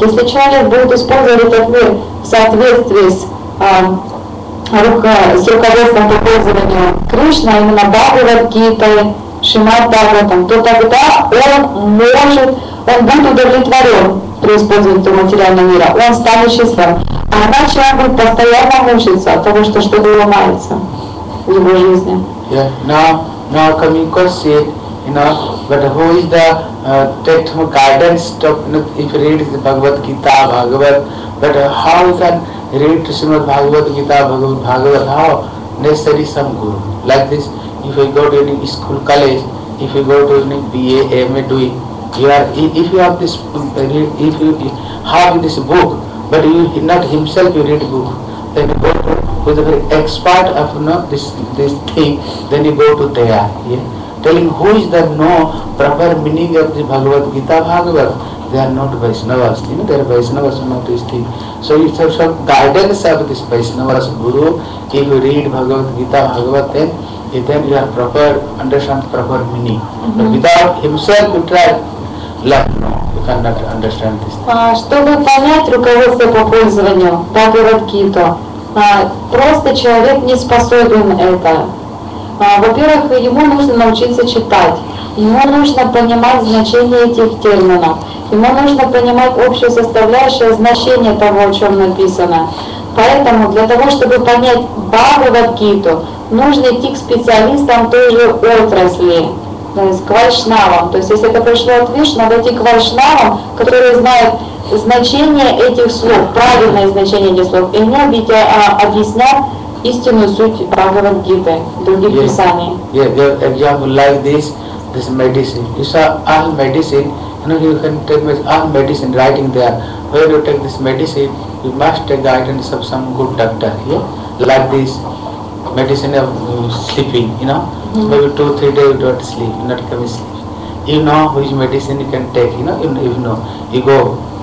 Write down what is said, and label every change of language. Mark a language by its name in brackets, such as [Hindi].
[Russian] Если человек будет использовать этот мир в соответствии с руководством по пользованию Кришна, именно Бхагавад Гитой, Шримад Бхагаватам, то тогда он будет удовлетворен при использовании этого материального мира. Он станет счастливым. А иначе он будет постоянно мучиться от того, что-то ломается в его жизни. [English] Now coming question, but who is the technical guidance to, if you read the Bhagavad Gita, Bhagavad, but how you can read Srimad Bhagavad Gita, Bhagavad, how necessary some guru. Like this, if you go to any school, college, if you go to any BA, MA, doing, if you have this book, but you not himself, you read book, then you go to who is a very expert of this thing, then you go to there, yeah? Telling who is the no proper meaning of the Bhagavad Gita Bhagavad. They are not Vaishnavas, you know, they are Vaishnavas, not this thing. So it's also guidance of this Vaishnavas Guru. If you read Bhagavad Gita Bhagavad, then you are proper, understand proper meaning. Mm-hmm. But without himself, you try, like, no, you cannot understand this thing. [Russian] Просто человек не способен это. Во-первых, ему нужно научиться читать, ему нужно понимать значение этих терминов, ему нужно понимать общую составляющую значение того, о чем написано. Поэтому для того, чтобы понять Бхагавад-гиту, нужно идти к специалистам той же отрасли, то есть к вайшнавам. То есть если это пришло от Вишну, надо идти к вайшнавам, которые знают значение этих слов, правильное значение этих слов, и они объяснят истинную суть Бхагавад-гиты, других писаний. [English] Yeah, give example like this medicine. You saw all medicine, you know, you can tell me all medicine writing there. Where you take this medicine, you must take guidance of some good doctor, yeah? Like this medicine of sleeping, you know? Mm-hmm. Maybe 2-3 days you don't sleep, you not come sleep. You know which medicine you can take, you know, you know. You go.